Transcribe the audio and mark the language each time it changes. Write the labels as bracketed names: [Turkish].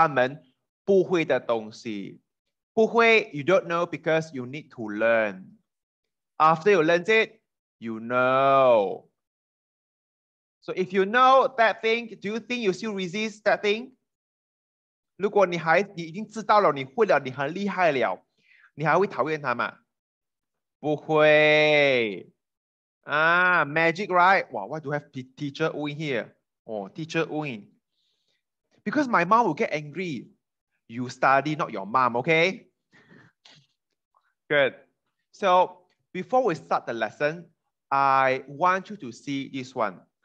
[Chinese] 就是说很多人都很抗拒他们不会的东西。不会, [English] you don't know because you need to learn. After you learn it, you know. So if you know that thing, do you think you still resist that thing? [Chinese] 如果你已经知道了,你会了,你很厉害了, 你还会讨厌他吗? 不会. [English] Ah, magic, right? Wow, why do you have teacher Uyin here? Oh, teacher Uyin. Because my mom will get angry. You study, not your mom, okay? Good. So before we start the lesson, I want you to see this one.